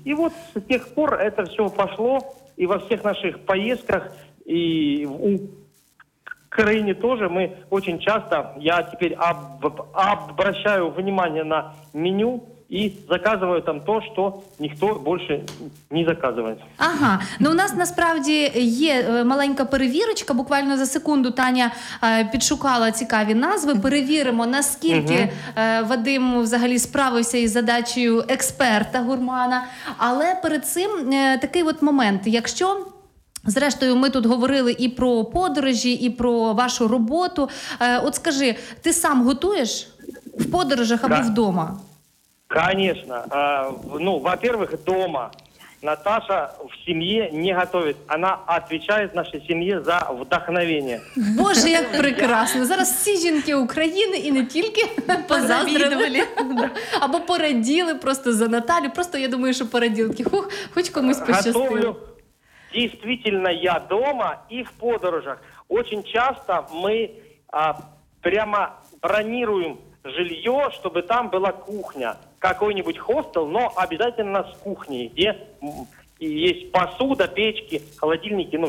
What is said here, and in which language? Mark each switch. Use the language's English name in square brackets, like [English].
[Russian] И вот с тех пор это все пошло, и во всех наших поездках, и у Украине тоже мы очень часто, я теперь обращаю внимание на меню и заказываю там то, что [Ukrainian] ніхто більше не заказує. Ага, ну у нас насправді є маленька перевірочка, буквально за секунду Таня підшукала цікаві назви, перевіримо, наскільки Вадим взагалі справився із задачею експерта-гурмана. Але перед цим такий от момент, якщо... Зрештою, ми тут говорили і про подорожі, і про вашу роботу. От скажи, ти сам готуєш в подорожах або вдома? [Russian] Конечно. Ну, во-первых, дома Наташа [Ukrainian] в сім'ї [Russian] не готовить. [Ukrainian] Вона відповідає нашій сім'ї за вдохновення. Боже, як прекрасно. Зараз всі жінки України і не тільки позавідували. Або пораділи просто за Наталю. Просто я думаю, що пораділки. Хух, хоч комусь пощастило. Готовлю. [Russian] Действительно, я дома и [Ukrainian] в подорожах. [Russian] Очень часто мы прямо бронируем жилье, чтобы там была кухня. Какой-нибудь хостел, но обязательно с кухней, где есть посуда, печки, холодильники.